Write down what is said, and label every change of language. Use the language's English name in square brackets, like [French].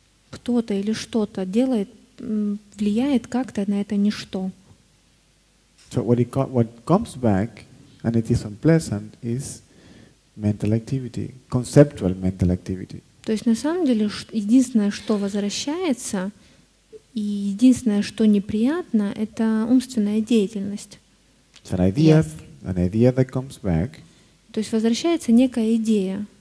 [Russian] Кто-то или что-то делает, влияет как-то на это ничто. [English] So what comes back and it is unpleasant is mental activity, conceptual mental activity. [Russian] То есть на самом деле единственное, что возвращается, и единственное, что неприятно, это умственная деятельность. [English] It's an idea, yes. An idea that comes back. [Russian] То есть возвращается некая идея.